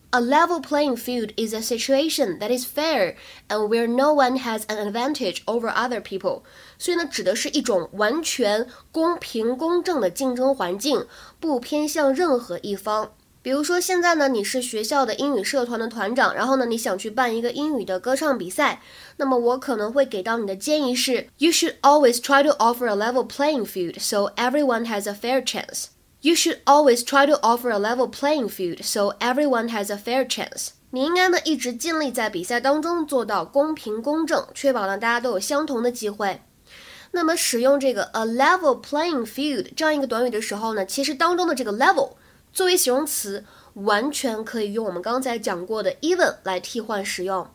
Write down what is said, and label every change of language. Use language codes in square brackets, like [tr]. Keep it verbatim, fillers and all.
[en] A level playing field is a situation that is fair and where no one has an advantage over other people. [zh] 所以呢，指的是一种完全公平公正的竞争环境，不偏向任何一方。比如说现在呢，你是学校的英语社团的团长，然后呢，你想去办一个英语的歌唱比赛，那么我可能会给到你的建议是 [en] You should always try to offer a level playing field so everyone has a fair chance. You should always try to offer a level playing field so everyone has a fair chance. [zh] 你应该呢一直尽力在比赛当中做到公平公正，确保呢大家都有相同的机会。那么使用这个 a level playing field 这样一个短语的时候呢，其实当中的这个 level 作为形容词完全可以用我们刚才讲过的 even 来替换使用。